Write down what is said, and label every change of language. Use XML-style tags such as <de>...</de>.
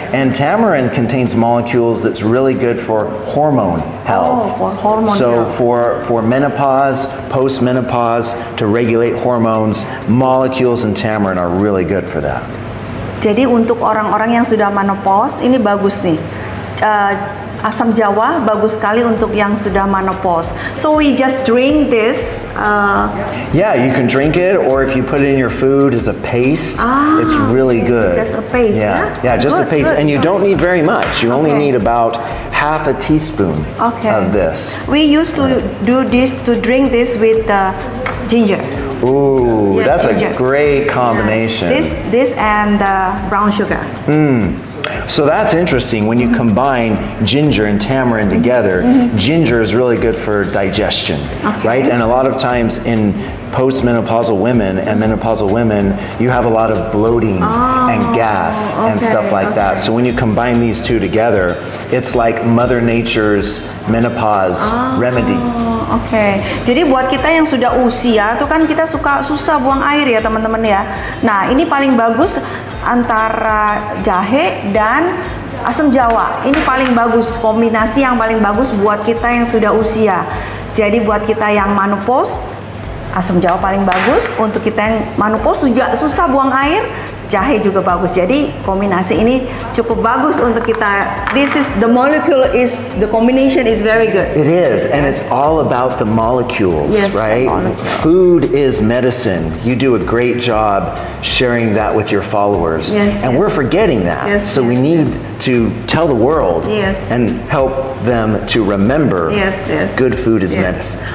<en>And tamarind contains molecules that's really good for hormone health. Oh, for hormone so health. For menopause, post-menopause, to regulate hormones, molecules in tamarind are really good for that.</en> <id>Jadi untuk orang-orang yang sudah menopause, ini bagus nih. Asam jawa bagus sekali untuk yang sudah menopause.</id> <en>So we just drink this. Yeah, you can drink it, or if you put it in your food as a paste, it's really good. Just a paste, yeah? Yeah, just good, a paste. Good. And you don't need very much. You only need about half a teaspoon of this. We used to do this, to drink this with ginger. Ooh, yeah, that's ginger. A great combination. Yes. This and brown sugar. Mm. So that's interesting, when you combine ginger and tamarind together, ginger is really good for digestion, right? And a lot of times in postmenopausal women and menopausal women, you have a lot of bloating and gas and stuff like that. So when you combine these two together, it's like Mother Nature's menopause remedy. Okay.</en> <id>Jadi buat kita yang sudah usia, itu kan kita suka susah buang air ya teman-teman ya. Nah ini paling bagus antara jahe dan asam jawa. Ini paling bagus, kombinasi yang paling bagus buat kita yang sudah usia. Jadi buat kita yang menopause, asam jawa paling bagus. Untuk kita yang menopause sudah susah buang air, jahe juga bagus. Jadi kombinasi ini cukup bagus untuk kita.</id> <en>This is the molecule, is the combination is very good. It is, and it's all about the molecules, yes, right? The molecule. Food is medicine. You do a great job sharing that with your followers. Yes, and we're forgetting that. Yes, so we need to tell the world and help them to remember good food is medicine.</en>